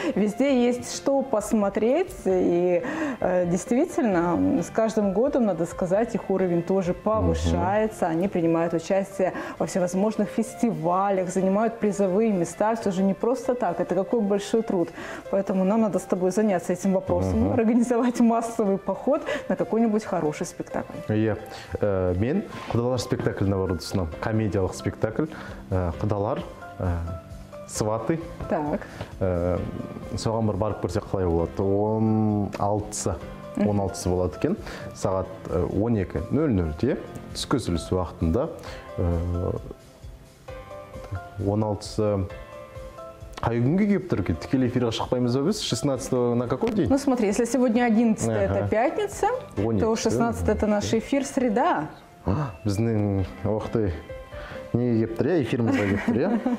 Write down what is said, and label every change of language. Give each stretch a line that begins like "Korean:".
Russian: Везде есть что посмотреть, и действительно, с каждым годом, надо сказать, их уровень тоже повышается. Они принимают участие во всевозможных фестивалях, занимают призовые места. Все же не просто так, это какой большой труд. Поэтому нам надо с тобой заняться этим вопросом, организовать массовый поход на какой-нибудь хороший спектакль.
Kazakh: Мен «Құдалар» спектакліне баруды ұсынам. Комедиялық спектакль. «Құдалар», «Сваты».
Russian: Так.
Kazakh: Соған бір барып көрсек қалай болады. 16-сы. 16-сы болады екен. Сағат 12:00-де. Түскі үзіліс уақытында. 16-сы. Қай күнге келіп тұр екен? Тікелей эфирге шықпаймыз ба біз?
Russian: 16-го на какой день? Ну смотри, если сегодня 11-е, это пятница, то 16-е, это наш эфир, среда.
Kazakh: Біздің,
Russian: ох ты,
Kazakh: не келіп тұр, эфирімізге келіп тұр.